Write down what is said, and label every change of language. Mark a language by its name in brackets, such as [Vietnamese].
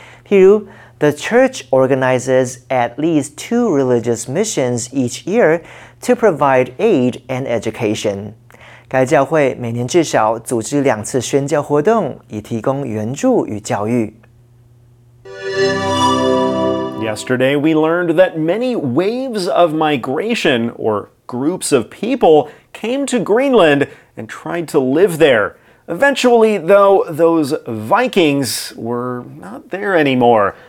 [Chinese] 譬如 [English] ,The church organizes at least two religious missions each year,to provide aid and education. [Chinese] 该教会每年至少组织两次宣教活动以提供援助与教育。 [English] Yesterday, we learned that many waves of migration, or groups of people, came to Greenland and tried to live there. Eventually, though, those Vikings were not there anymore.